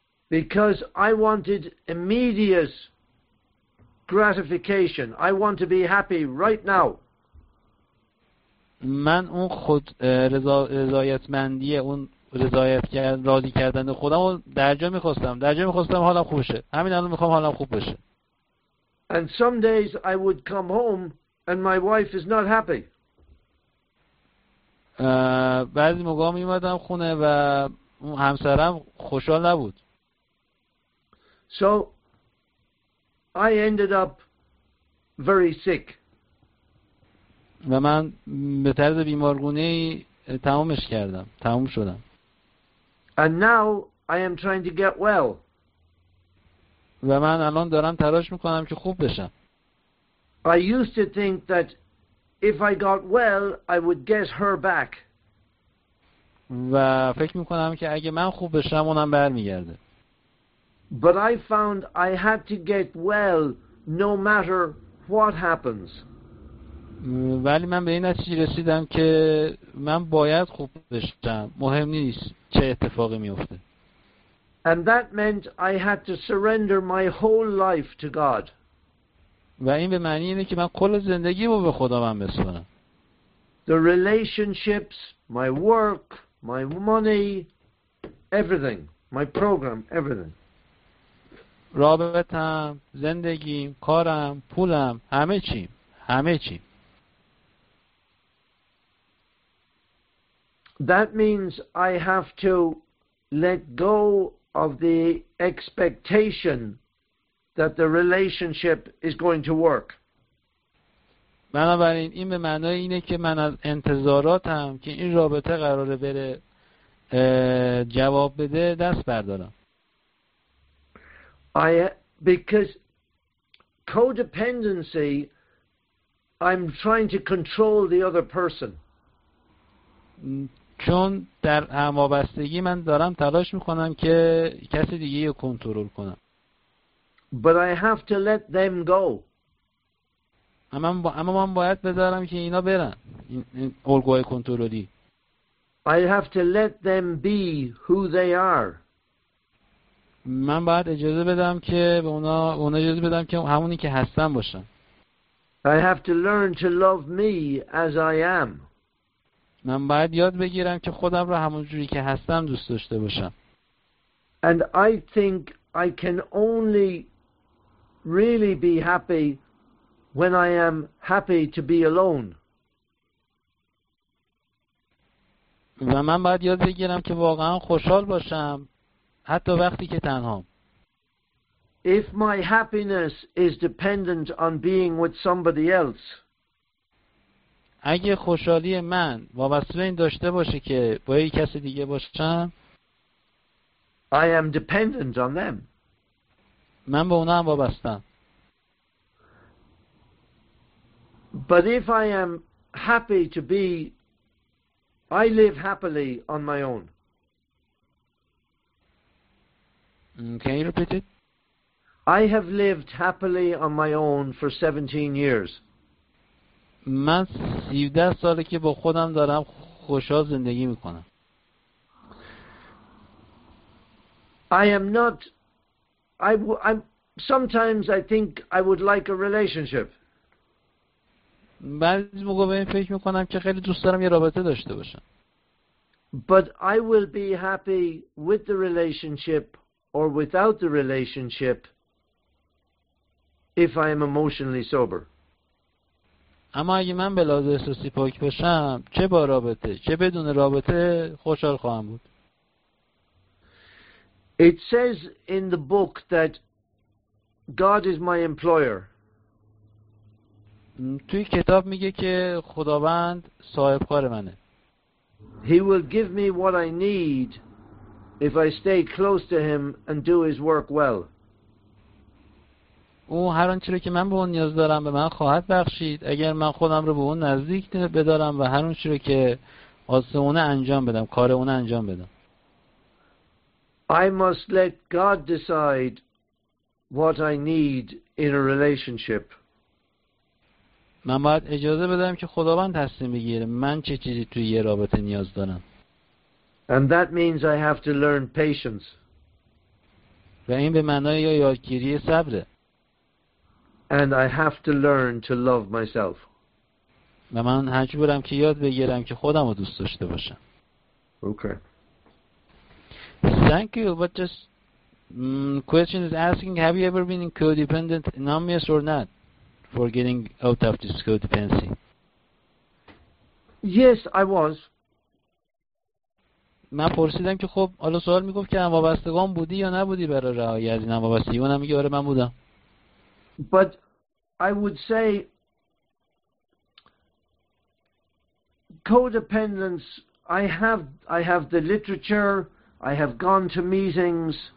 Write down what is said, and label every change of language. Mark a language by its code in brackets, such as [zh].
[en] Because I wanted immediate gratification. I want to be happy right now. [fa] من اون خود رضایتمندی اون رضایت راضی کردن خودم رو درجا میخواستم. درجا میخواستم حالم خوب بشه. همین الان میخوام حالم خوب بشه. [en] And some days I would come home and my wife is not happy. [fa] بعضی موقع می اومدم خونه و همسرم خوشحال نبود. [en] So I ended up very sick. [fa] و من به طرز بیمارگونه ای تمومش کردم، تموم شدم. [en] And now I am trying to get well. [fa] و من الان دارم تلاش میکنم که خوب بشم. [en] I used to think that if I got well, I would get her back. [fa] و فکر میکنم که اگه من خوب بشم اونم برمیگرده. [en] But I found I had to get well no matter what happens. [fa] ولی من به این نتیجه رسیدم که من باید خوب بشم، مهم نیست چه اتفاقی میفته. [en] And that meant I had to surrender my whole life to God. [fa] و این به معنی اینه که من کل زندگیمو به خدا من بسپارم. [en] The relationships, my work, my money, everything, my program, everything. [fa] رابطم، زندگیم، کارم، پولم، همه چیم، همه چیم. [en] That means I have to let go of the expectation that the relationship is going to work. [fa] بنابراین این به معنای اینه که من از انتظاراتم که این رابطه قراره بره جواب بده دست بردارم. [en] Because codependency, I'm trying to control the other person. [fa] چون در هم‌وابستگی من دارم تلاش میکنم که کسی دیگه رو کنترل کنم. [en] But I have to let them go. [fa] اما من باید بذارم که اینا برن، این الگوهای کنترلی. [en] I have to let them be who they are. [fa] من باید اجازه بدم که به اونا اجازه بدم که همونی که هستن باشن. [en] I have to learn to love me as I am. [fa] من باید یاد بگیرم که خودم رو همون جوری که هستم دوست داشته باشم. [en] And I think I can only really be happy when I am happy to be alone. [fa] و من باید یاد بگیرم که واقعا خوشحال باشم حتی وقتی که تنهام. [en] If my happiness is dependent on being with somebody else. [fa] اگه خوشحالی من وابسته این داشته باشه که با یک کس دیگه باشم، [en] I am dependent on them. [fa] من به اونا هم وابستم. [en] But if I am happy to be, I live happily on my own. Can you repeat it? I have lived happily on my own for 17 years. [fa] من 17 ساله که با خودم دارم خوشحال زندگی میکنم. [en] Sometimes I think I would like a relationship. [fa] بعضی موقع به این فکر میکنم که خیلی دوست دارم یه رابطه داشته باشم. [en] But I will be happy with the relationship or without the relationship if I am emotionally sober. [fa] اما اگه من به لحاظ احساسی پاک باشم، چه با رابطه چه بدون رابطه، خوشحال خواهم بود. [en] It says in the book that God is my employer. [fa] توی کتاب میگه که خداوند صاحب کار منه. [en] He will give me what I need if I stay close to him and do his work well. [fa] او هر آنچه را که من به اون نیاز دارم به من خواهد بخشید اگر من خودم رو به اون نزدیک بدارم و هر آنچه را که آسمونه انجام بدم، کار اون انجام بدم. [en] I must let God decide what I need in a relationship. [fa] من باید اجازه بدم که خداوند تصمیم بگیره من چه چیزی توی یه رابطه نیاز دارم. [en] And that means I have to learn patience. [fa] و این به معنای یادگیری صبره. [en] And I have to learn to love myself. [fa] و من مجبورم که یاد بگیرم که خودم رو دوست داشته باشم. [en] Okay. Thank you, but just question is asking, have you ever been codependent, numbness or not, for getting out of this codependency? Yes, I was. [fa] من پرسیدم که خب حالا سوال میگفت که هم وابستگان بودی یا نبودی برای رهایی از این هم وابستگی، اونم میگه آره من بودم. [en] But I would say codependence, I have the literature, I have gone to meetings.